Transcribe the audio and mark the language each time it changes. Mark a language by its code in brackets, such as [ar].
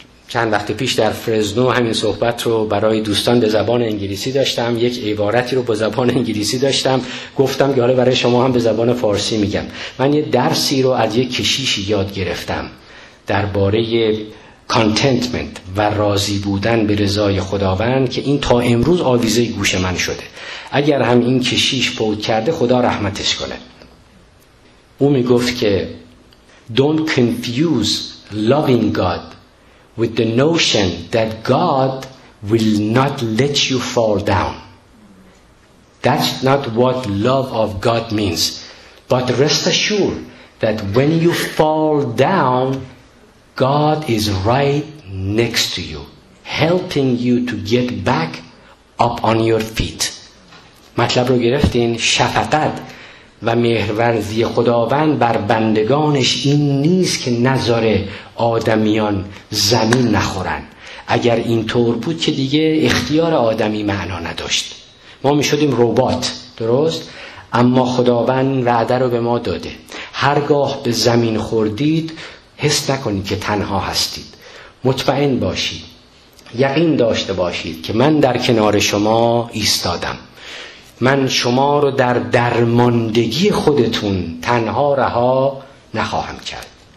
[fa] چند وقت پیش در فرزنو همین صحبت رو برای دوستان به زبان انگلیسی داشتم، یک عبارتی رو به زبان انگلیسی داشتم، گفتم که حالا برای شما هم به زبان فارسی میگم. من یه درسی رو از یک کشیش یاد گرفتم درباره contentment و راضی بودن به رضای خداوند، که این تا امروز آویزه گوش من شده. اگر هم این کشیش فوت کرده خدا رحمتش کنه. او میگفت که [en] don't confuse loving God with the notion that God will not let you fall down. That's not what love of God means. But rest assured that when you fall down, God is right next to you, helping you to get back up on your feet. [fa] مطلب رو گرفتین؟ شفقت و مهربانی خداوند بر بندگانش این نیست که نذاره آدمیان زمین نخورن. اگر این طور بود که دیگه اختیار آدمی معنا نداشت، ما می شدیم روبات، درست؟ اما خداوند وعده رو به ما داده، هرگاه به زمین خوردید حس نکنید که تنها هستید، مطمئن باشید، یقین داشته باشید که من در کنار شما ایستادم، من شما رو در درماندگی خودتون تنها رها نخواهم کرد.